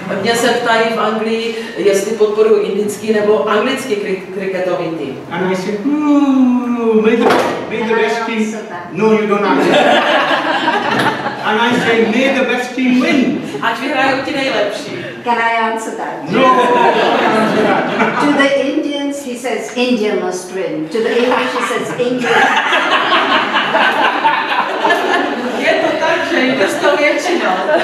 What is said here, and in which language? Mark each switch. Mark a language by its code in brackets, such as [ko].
[cs] Mě se ptají v Anglii, jestli podporuji indický nebo anglický kriketový tým. [en] And I said, may the best team. No, you don't answer. And I say, may the best team win. [cs] Ať vyhrajou ti nejlepší. [en] Can I answer that? No, I don't answer that. To the Indians, he says, India must win. To the English, he says, India. [cs] Je to tak, že jde s tou většinou.